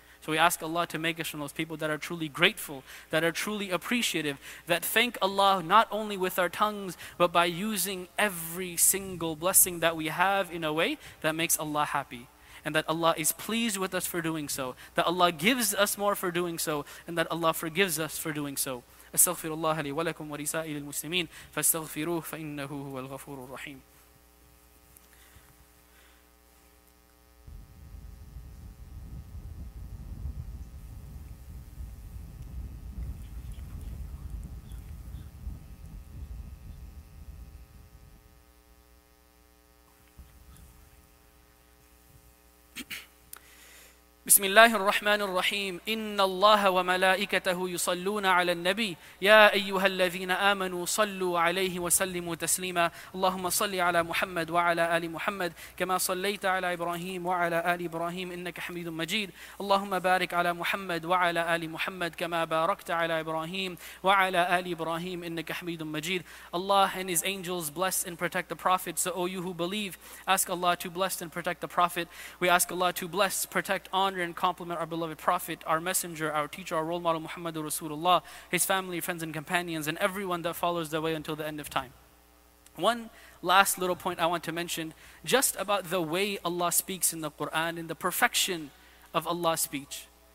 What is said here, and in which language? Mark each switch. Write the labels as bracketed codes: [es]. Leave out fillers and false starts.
[en] So we ask Allah to make us from those people that are truly grateful, that are truly appreciative, that thank Allah not only with our tongues, but by using every single blessing that we have in a way that makes Allah happy. And that Allah is pleased with us for doing so. That Allah gives us more for doing so. And that Allah forgives us for doing so. [ar] أستغفر الله لي ولكم ولسائر المسلمين فاستغفروه فإنه هو الغفور الرحيم. بسم الله الرحمن الرحيم إن الله وملائكته يصلون على النبي يا أيها الذين آمنوا صلوا عليه وسلموا تسليما اللهم صل على محمد وعلى آل محمد كما صليت على إبراهيم وعلى آل إبراهيم إنك حميد مجيد اللهم بارك على محمد وعلى آل محمد كما باركت على إبراهيم وعلى آل إبراهيم إنك حميد مجيد [en] Allah and his angels bless and protect the prophet. So O you who believe, ask Allah to bless and protect the prophet. We ask Allah to bless, protect, honor and compliment our beloved prophet, our messenger, our teacher, our role model, Muhammad Rasulullah, his family, friends and companions, and everyone that follows the way until the end of time. One last little point I want to mention, just about the way Allah speaks in the Quran and the perfection of Allah's speech.